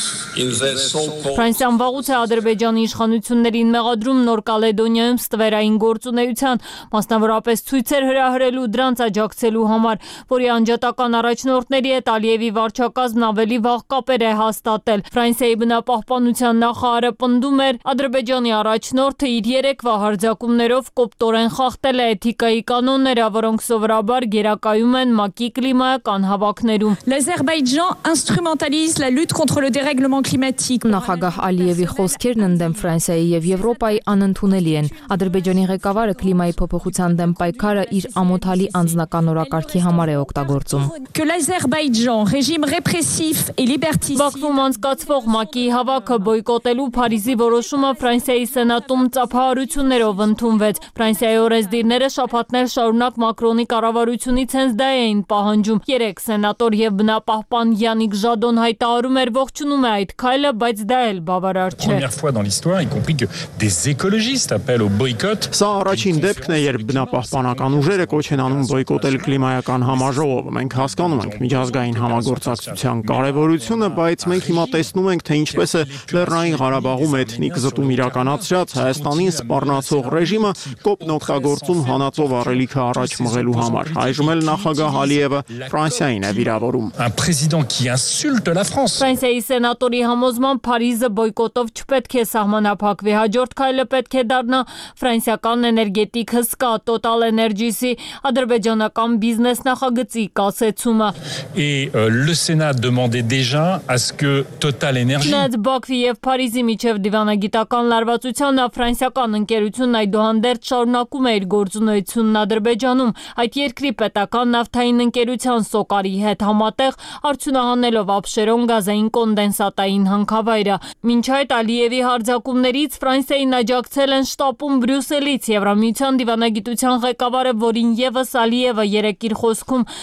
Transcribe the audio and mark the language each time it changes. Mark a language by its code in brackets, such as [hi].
[hy] Ֆրանսիան վաղուց է Ադրբեջանի իշխանություններին մեղադրում Նոր Կալեդոնիայում ստվերային գործունեության, մասնավորապես ցույցեր հրահրելու, դրանց աջակցելու համար, որի անջատական առաջնորդների հետ Ալիևի վարչակազմն ավելի վաղ կապեր է հաստատել։ նկատել։ Ֆրանսիայի բնապահպանության նախարարը պնդում էր, Ադրբեջանի առաջնորդը իր 3 վահարձակումներով կոպտորեն խախտել է էթիկայի կանոնները, որոնք սովորաբար գերակայում են ՄԱԿ-ի կլիմայական հավաքներում։ [fr] L'Azerbaïdjan instrumentalise la lutte contre le dérèglement climatique. [hy] Նախագահ Ալիևի խոսքերն ընդդեմ Ֆրանսիայի եւ Եվրոպայի անընդունելի են։ Ադրբեջանի ղեկավարը կլիմայի փոփոխության դեմ պայքարը իր ամոթալի անձնական օրակարգի համար է օգտագործում։ [fr] L'Azerbaïdjan, régime répressif et libertiste. [hy] Բաքվում անցկացվող ՄԱԿ-ի հավաքը բոյկոտելու Փարիզի որոշումը Ֆրանսիայի սենատում ծափահարություններով ընդունվեց։ Ֆրանսիայի օրենսդիրները շաբաթներ շարունակ Մակրոնի կառավարությունից հենց դա էին պահանջում։ 3 սենատոր եւ բնապահպան Յանիկ Ժադոն հայտարարում էր, ողջունում է այդ քայլը, բայց դա էլ բավարար չէ։ [fr] Première fois dans l'histoire, y compris que des écologistes appellent au boycott. [hy] Սա առաջին դեպքն է, երբ բնապահպանական ուժերը կոչ են անում բոյկոտել կլիմայական համաժողովը։ Մենք հասկանում ենք միջազգային համագործակցության կարևորությունը, բայց մենք հիմա տեսնում ենք, թե ինչպես է Լեռնային Ղարաբաղում էթնիկ զտում իրականացրած Հայաստանին սպառնացող ռեժիմը կոպն օգտագործում հանածով առելիքը առաջ մղելու համար։ Այժմ էլ նախագահ Ալիևը Ֆրանսիային է վիրավորում։ [fr] Un président qui insulte la France. [hy] Ֆրանսիայի սենատորի համոզմամբ Փարիզը բոյկոտով չպետք է սահմանափակվի, հաջորդ քայլը պետք է դառնա ֆրանսիական էներգետիկ հսկա Total Energies-ի ադրբեջանական բիզնես նախագծի կասեցումը։ [fr] Et le Sénat demandait déjà à ce que Total Energies. [hy] Բաքվի եւ Փարիզի միջև դիվանագիտական լարվածությանը ֆրանսիական ընկերությունն այդուհանդերձ շարունակում է իր գործունեությունն Ադրբեջանում, այդ երկրի պետական նավթային ընկերության Սոկարի հետ համատեղ, արդյունահանելով Ափշերոն գազային կոնդենսատային հանքավայրը։ Մինչ այդ Ալիևի հարձակումներից Ֆրանսիային աջակցել են շտապում Բրյուսելից Եվրամիության դիվանագիտության ղեկավարը, որին եւս Ալիևը երեկ իր խոսքում